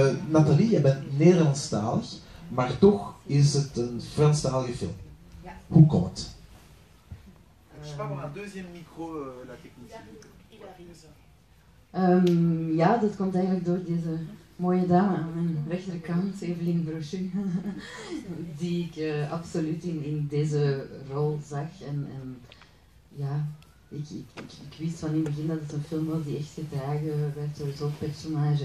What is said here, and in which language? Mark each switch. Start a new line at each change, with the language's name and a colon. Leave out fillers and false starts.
Dutch: Nathalie, je ben néerlandstalig, maar toch is het een Franstalige film. Ja. Hoe komt het?
French: Je sais pas, on a un deuxième micro, la technicienne.
Dutch: Ja, dat komt eigenlijk door deze mooie dame aan mijn rechterkant, Evelien Brochu, die ik absoluut in deze rol zag. En ja, ik wist van in het begin dat het een film was die echt gedragen werd door zo'n personage.